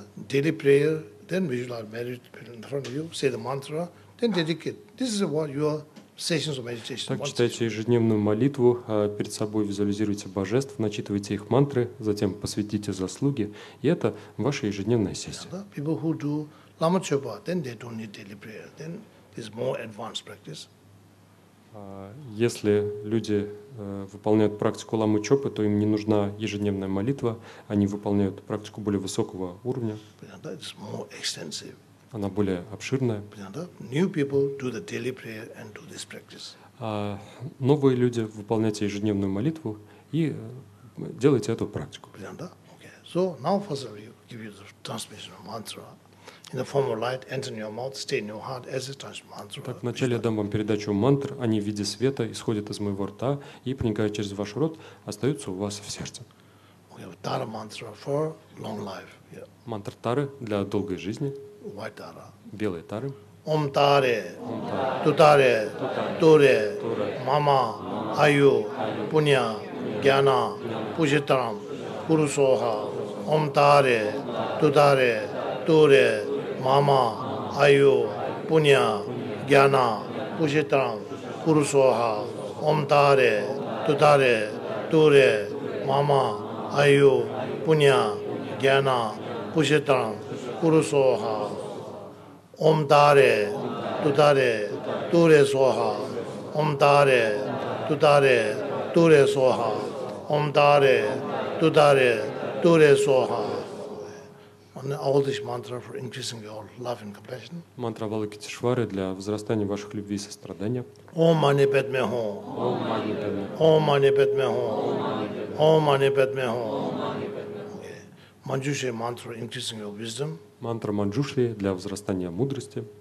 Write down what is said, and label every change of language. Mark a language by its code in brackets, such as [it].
[en] Daily prayer, then visualize meditation in front of you, say the mantra, then dedicate. This is what your sessions of meditation. [ru] Так, читайте ежедневную молитву, перед собой визуализируйте божеств, начитывайте их мантры, затем посвятите заслуги, и это ваша ежедневная сессия. [en] People who do Lama Chöpa, then they don't need daily prayer, then is more advanced practice. [ru] Если люди выполняют практику ламы чопы, то им не нужна ежедневная молитва, они выполняют практику более высокого уровня. [en] It's more extensive. [ru] Она более обширная. [en] New people do the daily prayer and do this practice. [ru] Новые люди выполняют ежедневную молитву и делают эту практику. [en] Okay. So now first of all, give you the transmission of mantra. In the form of light, enter in your mouth, stay in your heart as a touch mantra. [ru] Так, вначале я дам вам передачу мантр, они в виде света исходят из моего рта и проникают через ваш рот, остаются у вас в сердце. [en] Okay, Tara mantra for long life. Yeah. [ru] Мантра Тары для долгой жизни. [en] White Tara. [ru] Белые Тары. [sa] Ом Таре. Тутаре. Туре. Мама. Аю. Пуня. Гьяна. Пужитарам. Курусоха. Ом Таре. Тутаре. Туре. Мама, Айо, Пуня, Гьяна, Пушитрам, Курусоха, Омтаре, Тутаре, Туре, Мама, Айо, Пуня, Гьяна, Пушитрам, Курусоха, Омтаре, Тутаре, Туре Соха, Омтаре, Тутаре, Туре Соха, Омтаре, Тутаре, Туре Соха. [en] All this mantra for increasing your love and compassion. [ru] Мантра Валокитешвары для возрастания ваших любви и сострадания. [sa] Ом мани падме хум. Ом мани падме хум. Ом мани падме хум. [en] Манджуши mantra for increasing your wisdom. [ru] Мантра Манджушли для возрастания мудрости.